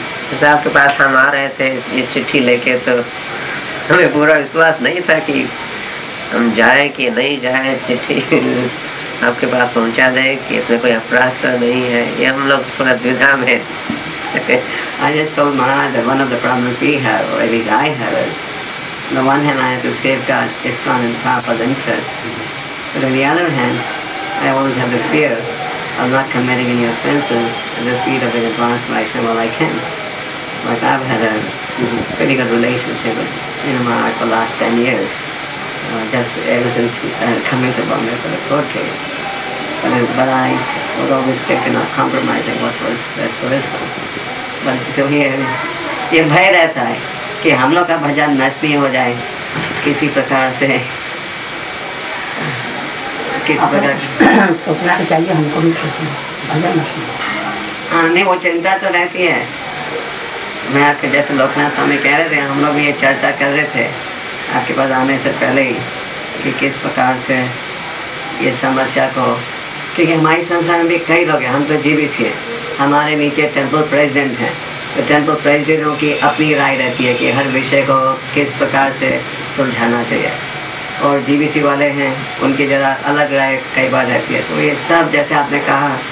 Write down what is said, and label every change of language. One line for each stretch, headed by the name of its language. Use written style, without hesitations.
Hindi: जैसे आपके पास हम आ रहे थे ये चिट्ठी लेके, तो हमें पूरा विश्वास नहीं था कि हम जाए कि नहीं जाए, चिट्ठी आपके पास पहुंचा दें कि इसमें कोई अपराध तो नहीं है, ये हम लोग थोड़ा दुविधा में।
English: I just told Maharaj that one of the problems we have, or at least I have, is on the one hand I have to safeguard ISKCON and Prabhupada's interests, but on the other hand I always have the fear of not committing any offenses at the feet of an advanced Vaishnava like him. Like I've had a pretty good relationship with Maharaj for the last 10 years, just ever since he started coming to Bombay for the court case. But I was always strict in not compromising what was best for ISKCON.
Hindi: बस तो ये भय रहता है कि हम लोग का भजन नष्ट नहीं हो जाए किसी प्रकार से, किसी प्रकार सोचना तो चाहिए हमको भी भजन नष्ट। हाँ नहीं, वो चिंता तो रहती है, मैं आपके जैसे लोकनाथ स्वामी कह रहे थे, हम लोग भी ये चर्चा कर रहे थे आपके पास आने से पहले ही कि किस प्रकार से ये समस्या को, क्योंकि हमारी संसार में भी कई लोग हैं, हम तो जीवित थे, हमारे नीचे टेंपल प्रेसिडेंट हैं, तो टेंपल प्रेसिडेंटों की अपनी राय रहती है कि हर विषय को किस प्रकार से सुलझाना चाहिए, और जीबीसी वाले हैं उनकी जरा अलग राय कई बार रहती है, तो ये सब जैसे आपने कहा